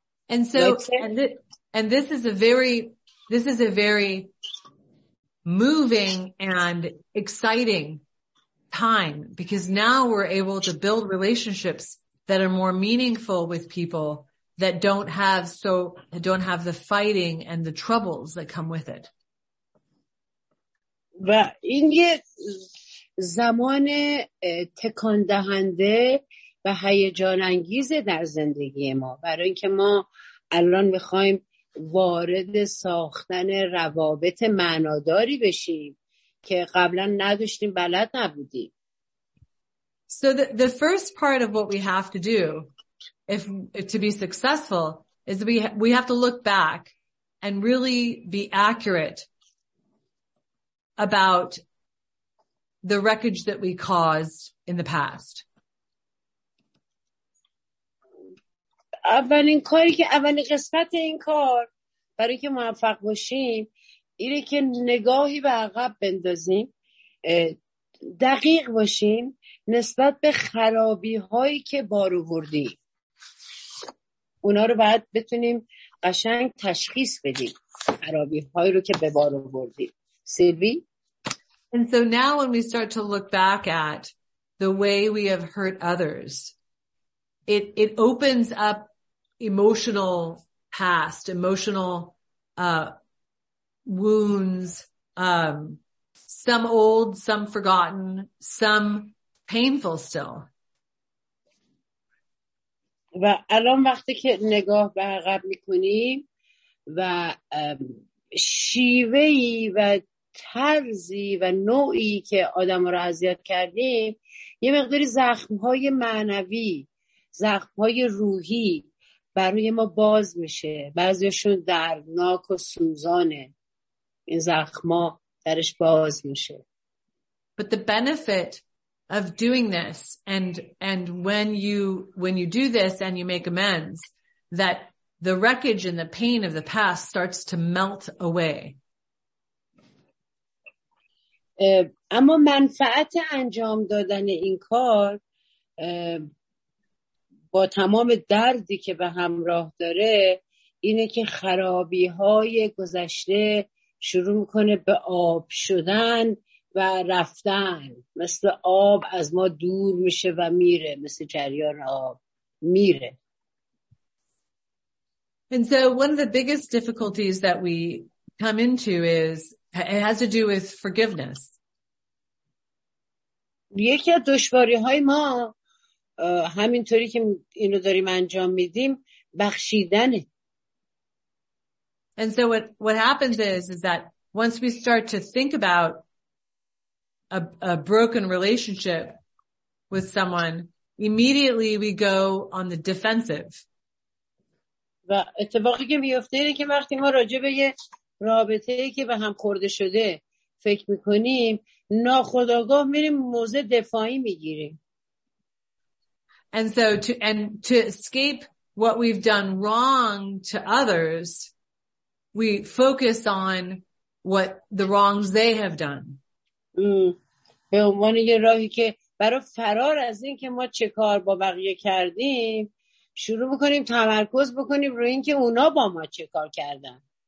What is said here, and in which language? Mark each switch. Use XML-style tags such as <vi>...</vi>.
<en>And so and this is a very moving and exciting time because now we're able to build relationships that are more meaningful with people that don't have the fighting and the troubles that come with it.</en> <fa>و این یه زمان تکان دهنده و هیجان انگیز در زندگی ما برای اینکه ما الان می‌خوایم وارد ساختن روابط معناداری بشیم که قبلا نداشتیم بلد نبودیم.</fa> <en>So the first part of what we have to do if to be successful is we have to look back and really be accurate about the wreckage that we caused in the past.</en> <fa>اولین کاری که اولین قسمت این کار برای که موفق باشیم اینه که نگاهی به عقب بندازیم دقیق باشیم نسبت به خرابی هایی که بار آوردیم اونا رو باید بتونیم قشنگ تشخیص بدیم خرابی هایی رو که به بار آوردیم سیلوی.</fa> <en>And so now when we start to look back at the way we have hurt others, it opens up emotional past, emotional wounds, some old, some forgotten, some painful still.</en> <fa>و الان وقتی که نگاه به عقب میکنیم و شیوهی و طرزی و نوعی که آدم رو اذیت کردیم یه مقداری زخمهای معنوی زخمهای روحی برای ما باز میشه بعضیشون دردناک و سوزانه این زخما درش باز میشه.</fa> <en>But the benefit of doing this and when you do this and you make amends that the wreckage and the pain of the past starts to melt away.</en> <fa>اما منفعت انجام دادن این کار با تمام دردی که به همراه داره اینه که خرابی های گذشته شروع میکنه به آب شدن و رفتن مثل آب از ما دور میشه و میره مثل جریان آب میره.</fa> <en>And so one of the biggest difficulties that we come into is it has to do with forgiveness.</en> <fa>یکی از دشواری های ما همینطوری که اینو داریم انجام میدیم بخشیدنه.</fa> <en>And so what happens is that once we start to think about a broken relationship with someone, immediately we go on the defensive.</en> <fa>و اتفاقی که میفته اینه که وقتی ما راجع به یه رابطه‌ای که به هم خورده شده فکر میکنیم ناخودآگاه میریم موضع دفاعی میگیریم.</fa> <en>And so to escape what we've done wrong to others, we focus on what the wrongs they have done.</en> <fa>به عنوان یه راهی که برای فرار از این که ما چه کار با بقیه کردیم شروع بکنیم تمرکز بکنیم روی این که اونا با ما چه کار کردن.</fa>